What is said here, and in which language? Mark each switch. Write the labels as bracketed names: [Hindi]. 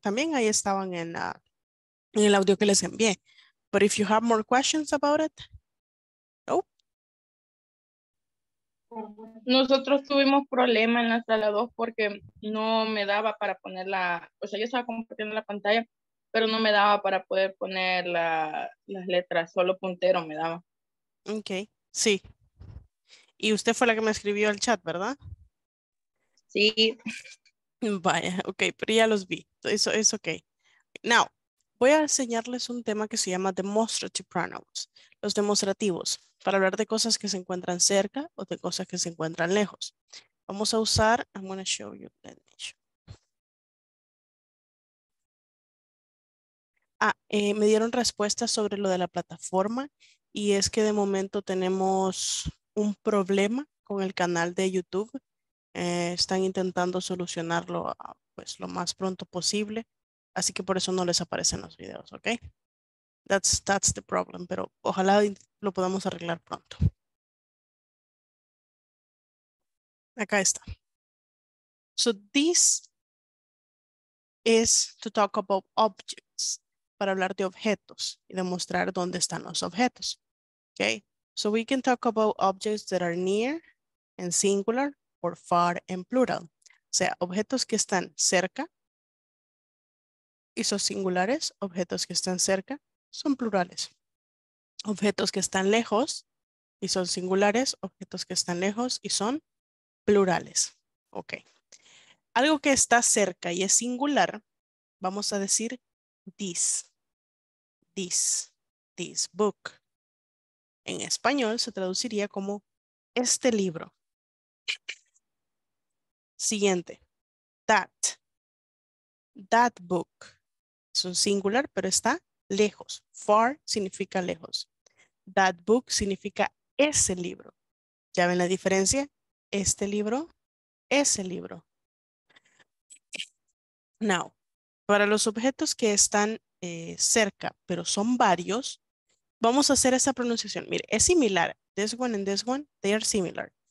[Spanish] También ahí estaban en el audio que les envié. [English] But if you have more questions about it, [Spanish] Nosotros tuvimos problema en la sala 2 porque no me daba para poner la, o sea, yo estaba compartiendo la pantalla, pero no me daba para poder poner la, las letras, solo puntero me daba. Ok, sí. Y usted fue la que me escribió al chat, ¿verdad? Sí. Vaya, ok, pero ya los vi. Eso es ok. Now, voy a enseñarles un tema que se llama demonstrative pronouns, los demostrativos, para hablar de cosas que se encuentran cerca o de cosas que se encuentran lejos. Vamos a usar, [English] I'm going to show you, let me show. [Spanish] Me dieron respuestas sobre lo de la plataforma y es que de momento tenemos un problema con el canal de YouTube. Están intentando solucionarlo pues lo más pronto posible, así que por eso no les aparecen los videos, ¿ok? [English] That's the problem, [Spanish] pero ojalá lo podamos arreglar pronto. Acá está. [English] So this is to talk about objects, [Spanish] para hablar de objetos y demostrar dónde están los objetos. Okay? [English] So we can talk about objects that are near and singular or far and plural. [Spanish] O sea, objetos que están cerca y son singulares, objetos que están cerca. Son plurales. Objetos que están lejos y son singulares. Objetos que están lejos y son plurales. Ok. Algo que está cerca y es singular, vamos a decir this. This. This book. En español se traduciría como este libro. Siguiente. That. That book. Es un singular, pero está lejos. Far significa lejos. That book significa ese libro. ¿Ya ven la diferencia? Este libro, ese libro. Now, para los objetos que están cerca, pero son varios, vamos a hacer esta pronunciación. Mire, es similar. [English] This one and this one, they are similar.